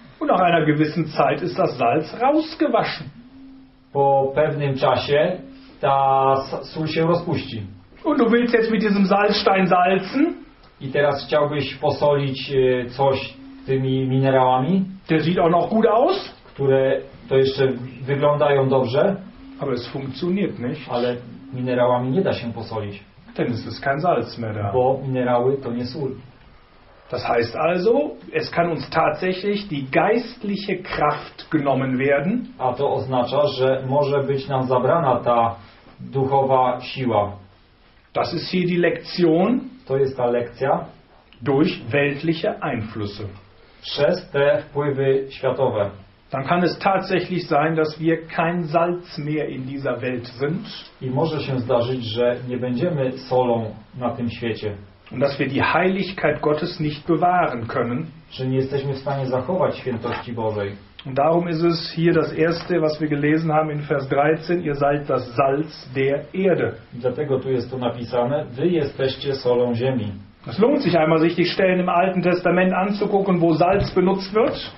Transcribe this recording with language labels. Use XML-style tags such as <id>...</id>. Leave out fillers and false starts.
<de>Und nach einer gewissen Zeit ist das Salz rausgewaschen.</de> <pl>Po pewnym czasie ta sól się rozpuści.</pl> <de>Und du willst jetzt mit diesem Salzstein salzen?</de> <pl>I teraz chciałbyś posolić coś tymi minerałami?</pl> <de>Der sieht auch noch gut aus.</de> <pl>Które to jeszcze wyglądają dobrze.</pl> <de>Aber es funktioniert nicht.</de> <pl>Ale minerałami nie da się posolić.</pl> <de>Denn es ist kein Salz mehr da.</de> <pl>Bo minerały to nie sól.</pl> <de>Das heißt also, es kann uns tatsächlich die geistliche Kraft genommen werden.</de> <pl>A to oznacza, że może być nam zabrana ta duchowa siła.</pl> <de>Das ist hier die Lektion.</de> <pl>To jest ta lekcja.</pl> <de>Durch weltliche Einflüsse.</de> <pl>Przez te wpływy światowe.</pl> <de>Dann kann es tatsächlich sein, dass wir kein Salz mehr in dieser Welt sind.</de> <pl>I może się zdarzyć, że nie będziemy solą na tym świecie.</pl> <de>Und dass wir die Heiligkeit Gottes nicht bewahren können.</de> <pl>Że nie jesteśmy w stanie zachować świętości Bożej.</pl> <de>Und darum ist es hier das erste, was wir gelesen haben in Vers 13. Ihr seid das Salz der Erde.</de> <pl>Dlatego tu jest to napisane. Wy jesteście solą ziemi.</pl> <de>Es lohnt sich einmal, sich die Stellen im Alten Testament anzugucken, wo Salz benutzt wird.</de>